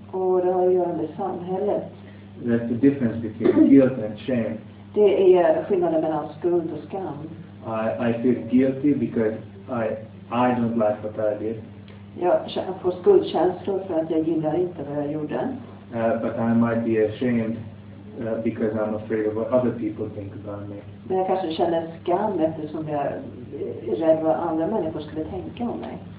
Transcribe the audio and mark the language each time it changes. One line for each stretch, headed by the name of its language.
Swedish: Och det har att göra med samhället.
English: That's the difference between guilt and shame.
Swedish: Det är skillnaden mellan skuld och skam.
English: I feel guilty because I don't like what I did.
Swedish: Jag får skuldkänslor för att jag gillar inte vad jag gjorde.
English: But I might be ashamed because I'm afraid of what other people think about me.
Swedish: Men jag kanske känner skam eftersom jag är rädd vad andra människor skulle tänka om mig.